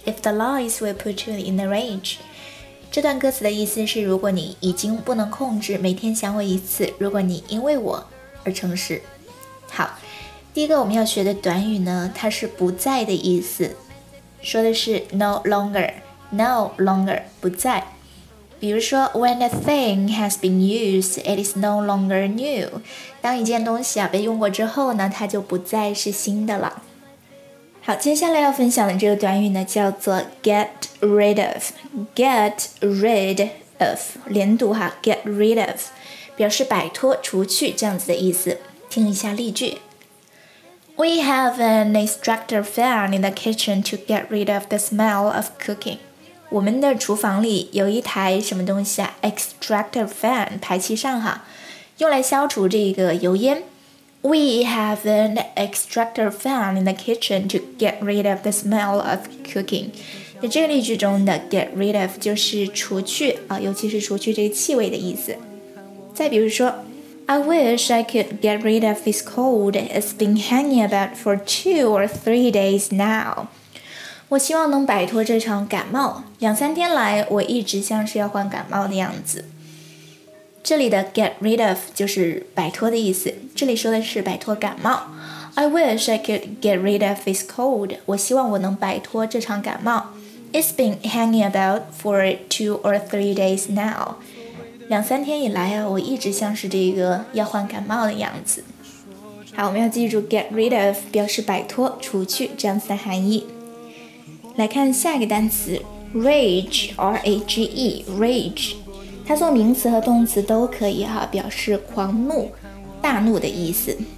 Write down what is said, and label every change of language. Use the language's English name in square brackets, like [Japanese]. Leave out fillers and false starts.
[English] If the lies will put you in a rage. [Chinese] 这段歌词的意思是，如果你已经不能控制每天想我一次，如果你因为我而诚实。好，第一个我们要学的短语呢，它是不在的意思，说的是 no longer 不在。比如说 [English] when a thing has been used, it is no longer new. [Chinese] 当一件东西啊被用过之后呢，它就不再是新的了。好，接下来要分享的这个短语呢叫做 get rid of. Get rid of, 连读哈， get rid of, 表示摆脱、除去这样子的意思。听一下例句。 [English] We have an extractor fan in the kitchen to get rid of the smell of cooking. [Chinese] 我们的厨房里有一台什么东西啊 ?Extractor fan, 排气扇哈，用来消除这个油烟。 [English] We have an extractor fan in the kitchen to get rid of the smell of cooking. [Chinese] 那这个例句中的 get rid of 就是除去啊，尤其是除去这个气味的意思。再比如说 [English] I wish I could get rid of this cold. It's been hanging about for 2 or 3 days now. [Chinese] 我希望能摆脱这场感冒，两三天来我一直像是要患感冒的样子。这里的 get rid of 就是摆脱的意思，这里说的是摆脱感冒。 [English] I wish I could get rid of this cold. [Chinese] 我希望我能摆脱这场感冒。 [English] It's been hanging about for 2 or 3 days now. [Chinese] 两三天以来啊，我一直像是这个要患感冒的样子。好，我们要记住 get rid of 表示摆脱、除去这样子的含义。来看下一个单词 rage, R-A-G-E, rage, 它做名词和动词都可以哈，表示狂怒、大怒的意思。